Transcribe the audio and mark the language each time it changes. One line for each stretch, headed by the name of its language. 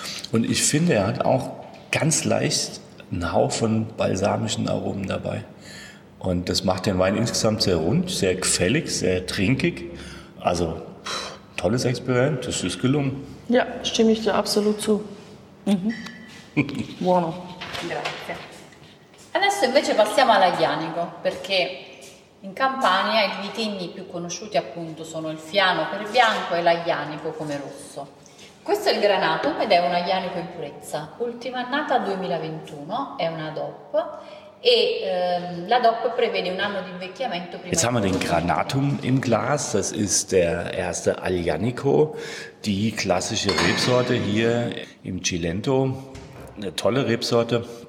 German: Und ich finde, er hat auch ganz leicht einen Hauch von balsamischen Aromen dabei. Und das macht den Wein insgesamt sehr rund, sehr gefällig, sehr trinkig. Also, tolles Experiment, das ist gelungen. Ja, stimme ich dir absolut zu.
Italian: Buono. Grazie. Adesso invece passiamo all'Aglianico, perché in Campania i vitigni più conosciuti appunto sono il Fiano per bianco e l'Aglianico come rosso. Questo è il Granatum ed è un Aglianico in purezza. Ultima annata 2021, è una DOP.
German: Jetzt haben wir den Granatum im Glas, das ist der erste Aglianico, die klassische Rebsorte hier im Cilento, eine tolle Rebsorte.